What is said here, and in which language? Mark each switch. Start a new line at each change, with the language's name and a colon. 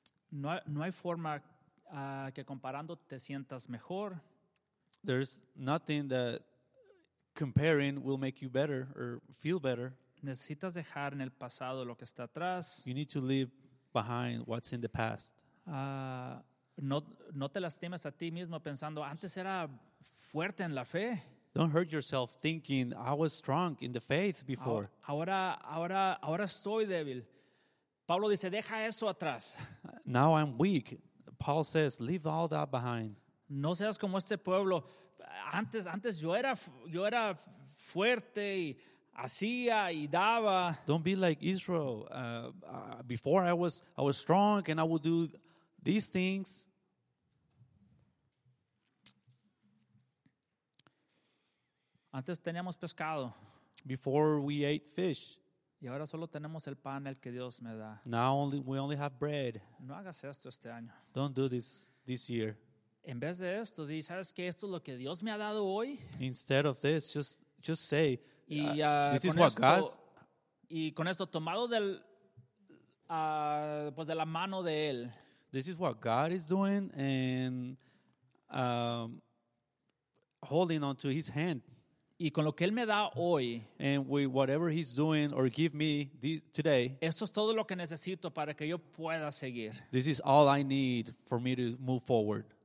Spanish: no hay forma que comparando te sientas mejor.
English: There's nothing that comparing will make you better or feel better.
Spanish: Necesitas dejar en el pasado lo que está atrás.
English: You need to leave behind what's in the past.
Spanish: No te lastimes a ti mismo pensando antes era fuerte en la fe.
English: Don't hurt yourself thinking I was strong in the faith before.
Spanish: Ahora estoy débil. Pablo dice, deja eso atrás.
English: Now I'm weak. Paul says, leave all that behind.
Spanish: No seas como este pueblo. Antes yo era fuerte y hacía y daba.
English: Don't be like Israel. Before I was strong and I would do these things.
Spanish: Antes teníamos pescado.
English: Before we ate fish.
Spanish: Y ahora solo tenemos el pan el que Dios me da.
English: Now we only have bread.
Spanish: No hagas esto este año.
English: Don't do this year.
Spanish: En vez de esto, di, ¿sabes qué? Esto es lo que Dios me ha dado hoy.
English: Instead of this, just say, this is what God.
Spanish: Y con esto tomado del pues de la mano de él.
English: This is what God is doing and holding on to his hand.
Spanish: Y con lo que él me da hoy,
English: and with whatever he's doing or give me today,
Spanish: esto es todo lo que necesito para que yo pueda seguir.
English: This is all I need for me to move forward.